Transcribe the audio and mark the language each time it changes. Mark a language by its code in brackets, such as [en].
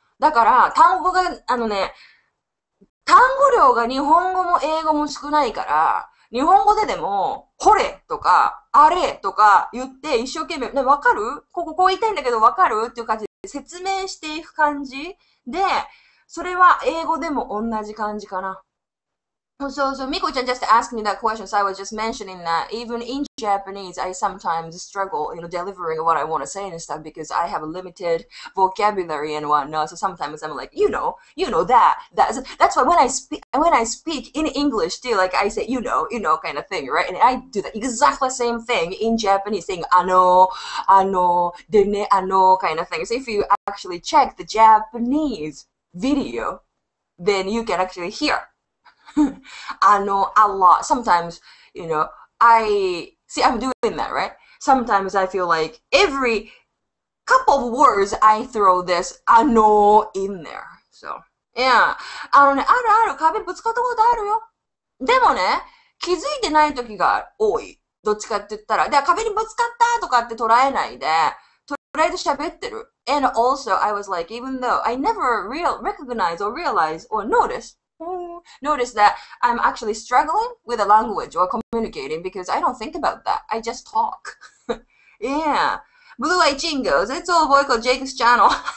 [ja] だから、単語が、あのね、単語量が日本語も英語も少ないから、日本語ででも、これとか、あれとか言って一生懸命、ね、わかる？ここ、こう言いたいんだけどわかる？っていう感じで説明していく感じで、それは英語でも同じ感じかな。 [en] So, so, Miko-chan just asked me that question, so I was just mentioning that even in Japanese, I sometimes struggle, you know, delivering what I want to say and stuff because I have a limited vocabulary and whatnot. So sometimes I'm like, you know that. That's why when I speak in English too, like I say, you know, kind of thing, right? And I do the exactly same thing in Japanese, saying, ano, dene, ano, kind of thing. So if you actually check the Japanese video, then you can actually hear. I know a lot. Sometimes, you know, I see I'm doing that, right? Sometimes I feel like every couple of words I throw this I know in there. So, yeah. [ja] あのね、あるある壁ぶつかったことあるよ。でもね、気づいてない時が多い。どっちかって言ったら、で、壁にぶつかったとかって捉えないで、とりあえず喋ってる。 [en] And also, I was like, even though I never recognize or realize or notice,notice that I'm actually struggling with a language or communicating because I don't think about that. I just talk. Yeah. Blue Eye Chingos, it's all Boyko Jake's channel.